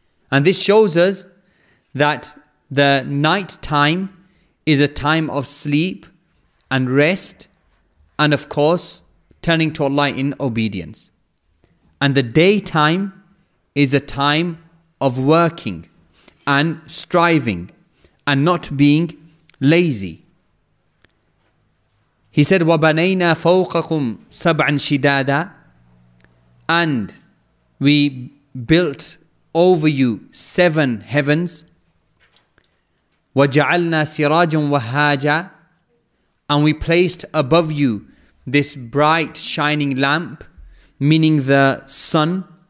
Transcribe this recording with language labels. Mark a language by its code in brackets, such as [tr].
[en] And this shows us that the night time is a time of sleep and rest, and of course, turning to Allah in obedience. And the daytime is a time of working and striving and not being lazy. He said, [ar] وَبَنَيْنَا فَوْقَكُمْ سَبْعًا شِدَادًا. [en] And we built over you seven heavens. [ar] وَجَعَلْنَا سِرَاجًا وَهَّاجًا. [en] And we placed above you this bright shining lamp, meaning the sun.